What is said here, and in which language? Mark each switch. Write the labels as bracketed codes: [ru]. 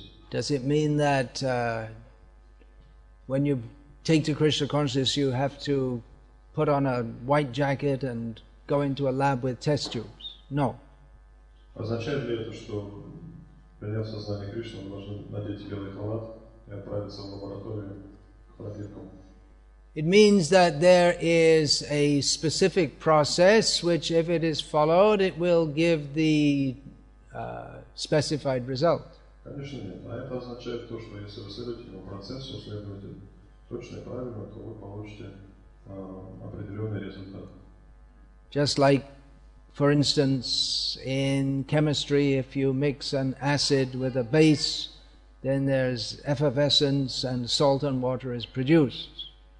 [en] Does it mean that when you take to Krishna consciousness, you have to put on a white jacket and go into a lab with test tubes? No. [ru] Означает ли это, что приняв сознание Кришны, нужно надеть белый халат и отправиться в лабораторию к проверкам? [en] It means that there is a specific process which, if it is followed, it will give the specified result. [ru] Конечно нет. А это означает то, что если вы следуете этому процессу, следуете точно и правильно, то вы получите определенный результат. [en] Just like, for instance, in chemistry, if you mix an acid with a base, then there's effervescence and salt and water is produced.